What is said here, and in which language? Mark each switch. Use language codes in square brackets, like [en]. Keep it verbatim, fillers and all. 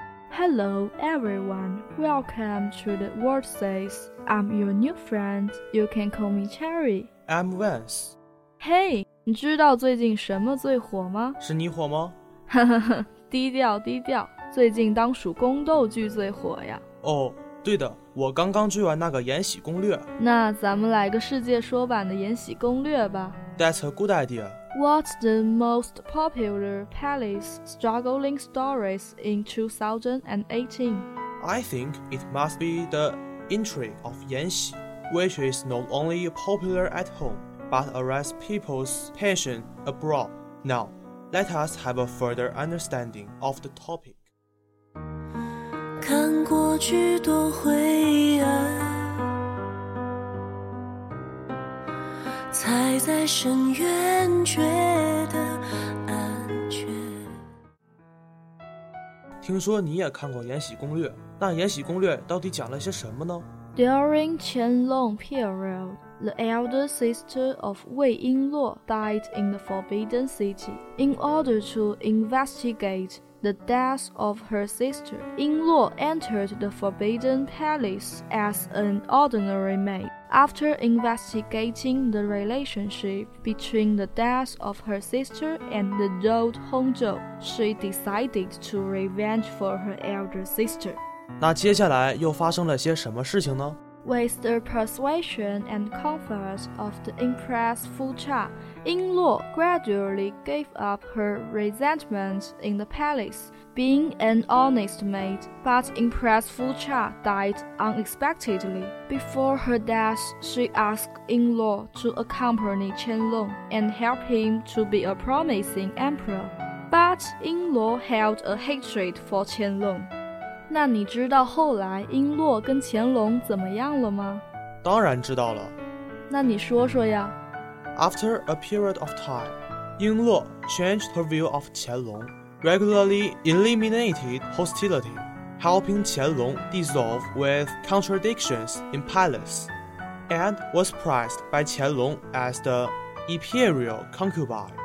[en] Hello everyone, welcome to the World Says. I'm your new friend, you can call me Cherry. I'm Wes. [zh] Hey, 你知道最近什么最火吗？是你火吗？哈哈哈，低调低调，最近当属宫斗剧最火呀。哦，对的，我刚刚追完那个《延禧攻略》。那咱们来个世界说版的《延禧攻略》吧。 [en] That's a good idea. What's the most popular palace struggling stories in two thousand eighteen? I think it must be the intrigue of Yanxi, which is not only popular at home, but arrests people's passion abroad. Now, let us have a further understanding of the topic. [zh] 看过去多灰暗才在深渊觉得安全。听说你也看过《延禧攻略》，那《延禧攻略》到底讲了些什么呢？ [en] During Qianlong period, the elder sister of Wei Yingluo died in the Forbidden City. In order to investigate the death of her sister, Yingluo entered the Forbidden Palace as an ordinary maid. After investigating the relationship between the death of her sister and the Lord Hongzhou, she decided to revenge for her elder sister. [zh] 那接下来又发生了些什么事情呢？ [en] With the persuasion and comfort of the Empress Fu Cha, Yingluo gradually gave up her resentment in the palace. Being an honest maid, but Empress Fu Cha died unexpectedly. Before her death, she asked Yingluo to accompany Qianlong and help him to be a promising emperor. But Yingluo held a hatred for Qianlong. [zh] 那你知道后来璎珞跟乾隆怎么样了吗？当然知道了。那你说说呀。 [en] After a period of time, Yingluo changed her view of Qianlong. Regularly eliminated hostility, helping Qianlong dissolve with contradictions in palace, and was prized by Qianlong as the imperial concubine.